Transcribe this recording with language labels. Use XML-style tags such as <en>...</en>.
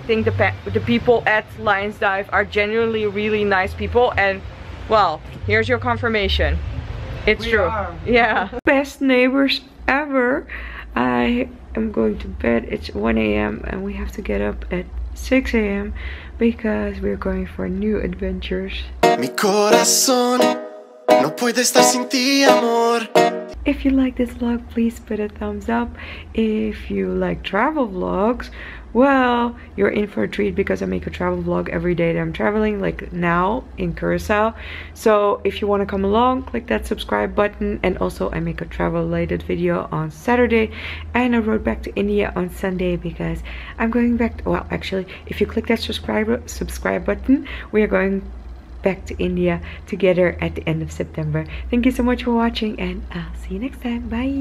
<en>I think the people at Lion's Dive are genuinely really nice people. And well, here's your confirmation. It's we true. Are. Yeah. Best neighbors ever. I am going to bed. It's 1 a.m. and we have to get up at 6 a.m. because we're going for new adventures.</en> <es>Mi corazón no puede estar sin ti, amor.</es> <en>If you like this vlog, please put a thumbs up. If you like travel vlogs, well, you're in for a treat because I make a travel vlog every day that I'm traveling, like now in Curacao. So if you want to come along, click that subscribe button. And also I make a travel related video on Saturday and a road back to India on Sunday because I'm going back to, well, actually, if you click that subscribe button, we are going back to India together at the end of September. Thank you so much for watching and I'll see you next time. Bye.</en>